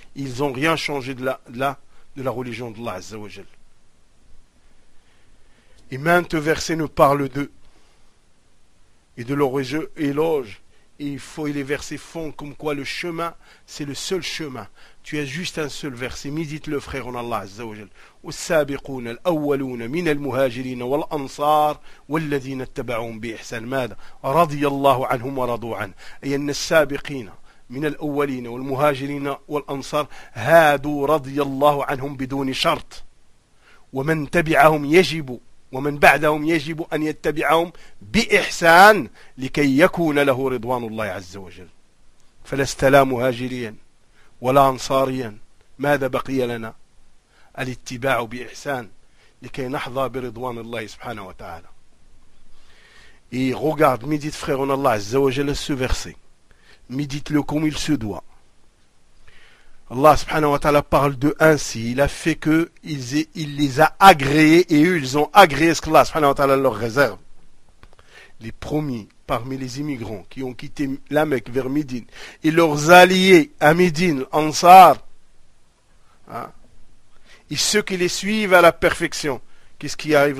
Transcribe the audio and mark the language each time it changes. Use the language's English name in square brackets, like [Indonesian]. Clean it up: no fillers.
[French] Ils n'ont rien changé de la religion d'Allah azza wa jal. Et maintes versets nous parlent d'eux et de leur éloge. Et les versets font comme quoi le chemin, c'est le seul chemin. Tu as juste un seul verset. Médite-le, frère, en Allah Azza wa Jalla. [Arabic] والسابقون الأولون من المهاجرين والأنصار والذين اتبعوهم بإحسان ماذا رضي الله عنهم ورضوا عنه أي أن السابقين من الأولين والمهاجرين والأنصار هادوا رضي الله عنهم بدون شرط ومن تبعهم يجب ومن بعدهم يجب أن يتبعهم بإحسان لكي يكون له رضوان الله عز وجل فلست لا مهاجريا ولا أنصاريا ماذا بقي لنا الاتباع بإحسان لكي نحظى برضوان الله سبحانه وتعالى [French] Et regarde, médite frère en Allah, Azza wa Jalla, ce verset. Médite-le comme il se doit. Allah subhanahu wa ta'ala parle d'eux ainsi. Il a fait qu'il les a agréés et eux, ils ont agréé ce que Allah subhanahu wa ta'ala leur réserve. Les premiers parmi les immigrants qui ont quitté la Mecque vers Médine et leurs alliés à Médine, Ansar, hein, et ceux qui les suivent à la perfection. Qu'est-ce qui arrive?